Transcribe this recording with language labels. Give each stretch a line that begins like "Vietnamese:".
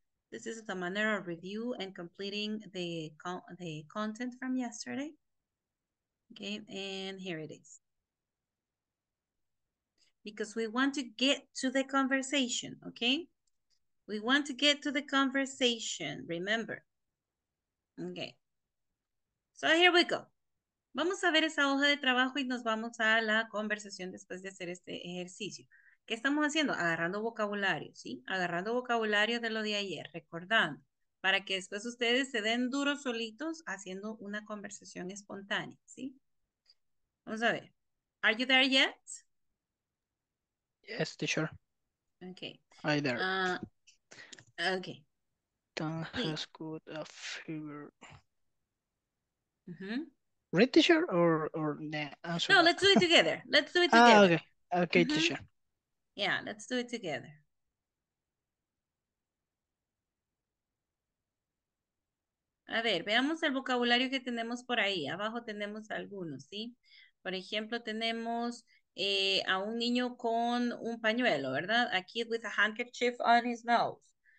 English: This is the manera review and completing the content from yesterday. Okay, and here it is. Because we want to get to the conversation, okay? We want to get to the conversation, remember. Okay. So here we go.
Spanish: Vamos a ver esa hoja de trabajo y nos vamos a la conversación después de hacer este ejercicio. ¿Qué estamos haciendo? Agarrando vocabulario, ¿sí? Agarrando vocabulario de lo de ayer, recordando, para que después ustedes se den duros solitos haciendo una conversación espontánea, ¿sí? Vamos a ver.
English: Are you there yet? Yes, teacher. Okay. Hi there. Okay. Don't have good a fever. Mm-hmm. Read, teacher, or the answer? No, that. Let's do it together. Let's do it together. Ah, okay. Okay, mm-hmm. Teacher. Yeah, let's do it together.
Spanish: A ver, veamos el vocabulario que tenemos por ahí. Abajo tenemos algunos, ¿sí? Por ejemplo, tenemos a un niño con un pañuelo, ¿verdad?
English: A kid with a handkerchief on his nose.